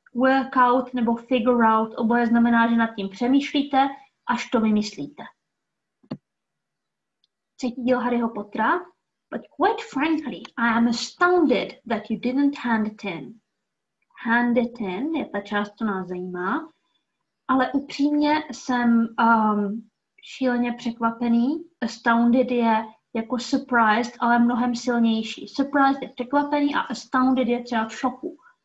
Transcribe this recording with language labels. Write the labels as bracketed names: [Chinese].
[Czech] Work out nebo figure out, oboje znamená, že nad tím přemýšlíte, až to vymyslíte. Třetí díl Harryho Pottera. [English] But quite frankly, I am astounded that you didn't hand it in. [Czech] Hand it in je ta část, co nás zajímá. Ale upřímně jsem šíleně překvapený. Astounded je jako surprised, ale mnohem silnější. Surprised je překvapený a astounded je třeba v šoku.